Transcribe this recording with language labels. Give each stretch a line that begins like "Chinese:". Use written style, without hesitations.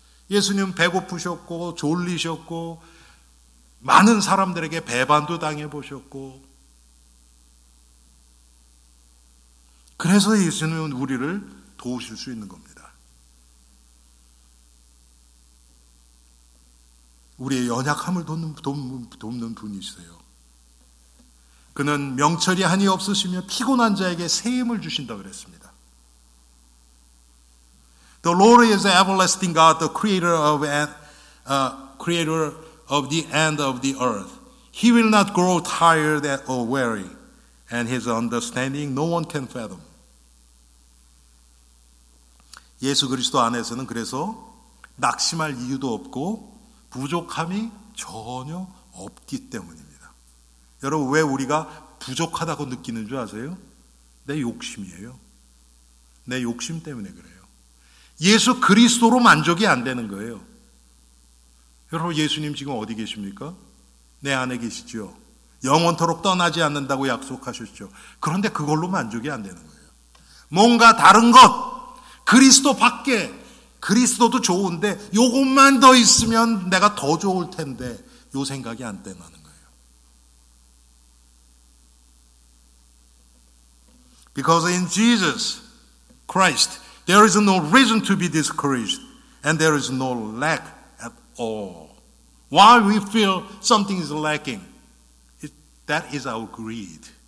Korean: 예수님 배고프셨고 졸리셨고 많은 사람들에게 배반도 당해보셨고 그래서 예수님은 우리를 도우실 수 있는 겁니다. 우리의 연약함을 돕는 분이세요. 그는 명철이 한이 없으시며 피곤한 자에게 세임을 주신다 그랬습니다.
English: The Lord is the everlasting God, the creator of creator of the end of the earth. He will not grow tired or weary, and his understanding no one can fathom.
Korean: 예수 그리스도 안에서는 그래서 낙심할 이유도 없고 부족함이 전혀 없기 때문입니다. 여러분, 왜 우리가 부족하다고 느끼는 줄 아세요? 내 욕심이에요. 내 욕심 때문에 그래요. 예수 그리스도로 만족이 안 되는 거예요. 여러분, 예수님 지금 어디 계십니까? 내 안에 계시죠. 영원토록 떠나지 않는다고 약속하셨죠. 그런데 그걸로 만족이 안 되는 거예요. 뭔가 다른 것, 그리스도 밖에, 그리스도도 좋은데 이것만 더 있으면 내가 더 좋을 텐데 이 생각이 안 떠나는 거예요.
English: Because in Jesus Christ, there is no reason to be discouraged and there is no lack at all. Why we feel something is lacking? That is our greed.